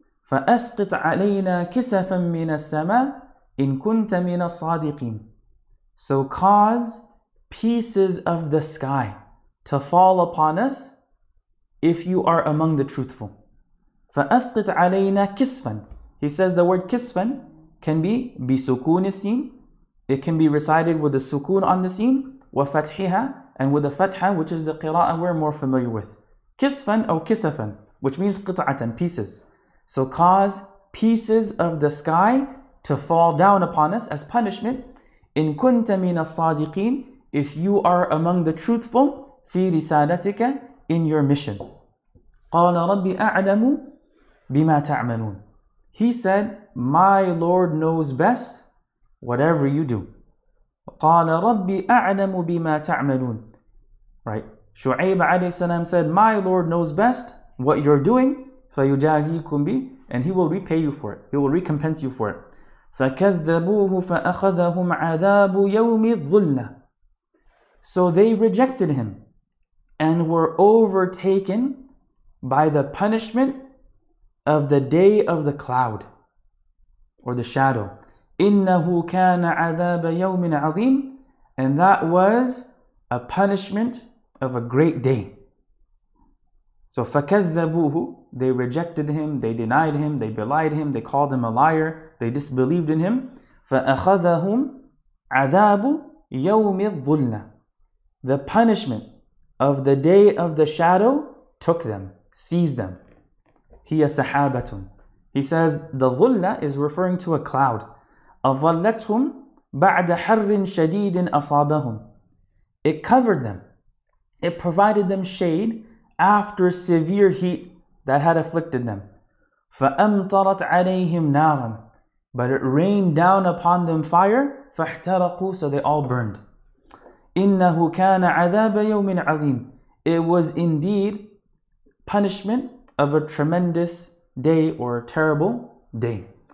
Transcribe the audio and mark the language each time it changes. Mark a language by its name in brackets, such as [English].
[Arabic] فَأَسْقِطْ عَلَيْنَا كِسَفًا مِنَ السَّمَاءِ إِن كُنْتَ مِنَ الصَّادِقِينَ [English] So cause pieces of the sky to fall upon us if you are among the truthful. [Arabic] فَأَسْقِطْ عَلَيْنَا كِسْفًا [English] He says the word كِسْفًا can be [Arabic] بِسُكُونِ السِّينِ [English] It can be recited with the sukun on the scene, [Arabic] وَفَتْحِهَا [English] and with the fatha, which is the qira'ah we're more familiar with. [Arabic] كِسْفًا أو كِسَفًا, [English] which means [Arabic] قِطْعَةً, pieces. [English] So cause pieces of the sky to fall down upon us as punishment. [Arabic] إِن كُنْتَ مِنَ الصَّادِقِينَ [English] If you are among the truthful, [Arabic] فِي رِسَالَتِكَ [English] In your mission. [Arabic] قَالَ رَبِّ أَعْلَمُ بِمَا تَعْمَلُونَ [English] He said, My Lord knows best whatever you do. [Arabic] قَالَ رَبِّ أَعْلَمُ بِمَا تَعْمَلُونَ Right. [English] Shu'aib alayhi salam said, My Lord knows best what you're doing. [Arabic] فَيُجَازِيكُمْ بِ [English] And he will repay you for it. He will recompense you for it. [Arabic] فَكَذَّبُوهُ فَأَخَذَهُمْ عَذَابُ يَوْمِ الظُّلَّةِ [English] So they rejected him and were overtaken by the punishment of the day of the cloud or the shadow. [Arabic] إِنَّهُ كَانَ عَذَابَ يَوْمٍ عَظِيمٍ [English] And that was a punishment of a great day. So [Arabic] فَكَذَّبُوهُ [English] They rejected him, they denied him, they belied him, they called him a liar, they disbelieved in him. [Arabic] فَأَخَذَهُمْ عَذَابُ يَوْمِ الظُّلَّةِ [English] The punishment of the day of the shadow took them, seized them. [Arabic] هِيَ سَحَابَةٌ [English] He says, the ظُلَّة is referring to a cloud. [Arabic] أَظَلَّتْهُمْ بَعْدَ حَرٍ شَدِيدٍ أَصَابَهُمْ [English] It covered them. It provided them shade after severe heat that had afflicted them. [Arabic] فَأَمْطَرَتْ عَلَيْهِمْ نَارًا [English] But it rained down upon them fire. [Arabic] فَاحْتَرَقُوا [English] So they all burned. [Arabic] إِنَّهُ كَانَ عَذَابَ يَوْمٍ عَظِيمٍ [English] It was indeed punishment of a tremendous day or a terrible day.